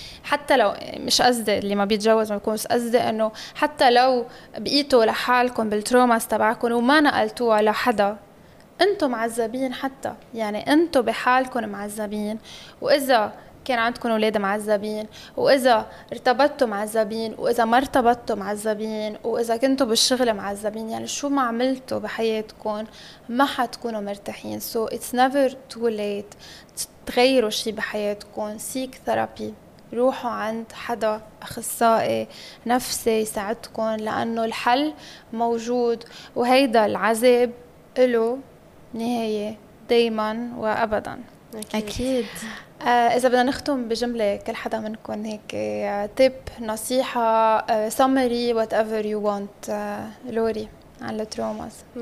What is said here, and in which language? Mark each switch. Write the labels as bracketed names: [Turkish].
[Arabic] حتى لو مش قصدي اللي ما بيتجوز ما بيكون, بس قصدي أنه حتى لو بقيتوا لحالكم بالتروماس تبعكم وما نقلتوها لحدا انتم معذبين, حتى يعني انتم بحالكم معذبين, واذا كان عندكم اولاد معذبين, واذا ارتبطتم معذبين, واذا ما ارتبطتم معذبين, واذا كنتوا بالشغل معذبين. يعني شو ما عملتوا بحياتكم ما حتكونوا مرتاحين. [English] So it's never too late [Arabic] تغيروا شيء بحياتكم. سيك ثيرابي, روحوا عند حدا اخصائي نفسي يساعدكم, لانه الحل موجود. وهيدا العذاب له نهاية دايما وأبدا. أكيد. إذا بدنا نختم بجملة كل حدا منكم هيك تيب نصيحة [English] summary whatever you want [Arabic] لوري على التروماز.